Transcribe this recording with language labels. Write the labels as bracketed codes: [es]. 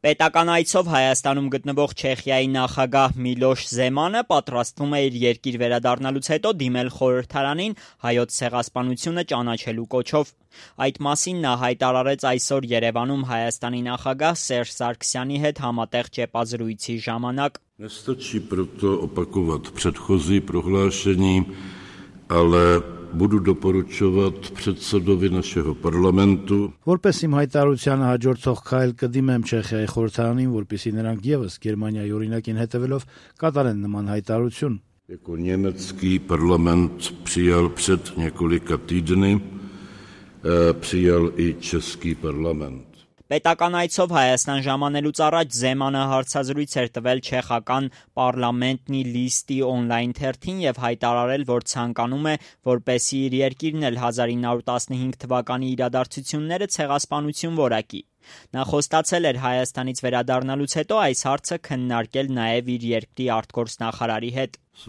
[hy] Պետականայցով Հայաստանում գտնվող Չեխիայի նախագահ Միլոշ Զեմանը պատրաստվում է իր երկիր վերադառնալուց հետո դիմել խորհրդարանին հայոց ցեղասպանությունը ճանաչելու կոչով։ Այդ մասին նա հայտարարեց այսօր Երևանում Հայաստանի նախագահ Սերժ Սարգսյանի հետ համատեղ ճեպազրույցի ժամանակ։ [cs] Nestačí proto opakovat předchozí prohlášení, ale budu doporučovat předsedovi našeho parlamentu. [hy] Որպես իմ հայտարարության հաջորդող քայլ կդիմեմ Չեխիայի խորհրդարանին, որպեսզի նրանք եւս Գերմանիայի օրինակին հետևելով կատարեն նման հայտարարություն։ [cs] Jako německý parlament přijal před několika týdny, přijal i český parlament. [hy] Պետականայցով Հայաստան ժամանելուց առաջ Զեմանը հարցազրույց էր տվել չեխական պարլամենտնի լիստի օնլայն թերթին եւ հայտարարել, որ ցանկանում է, որպեսզի իր երկիրն էլ 1915 թվականի իրադարձությունները ցեղասպանություն որակի։ Նա խոստացել էր Հայաստանից վերադառնալուց հետո այս հարցը քննարկել նաեւ իր երկրի արտգործնախարարի հետ։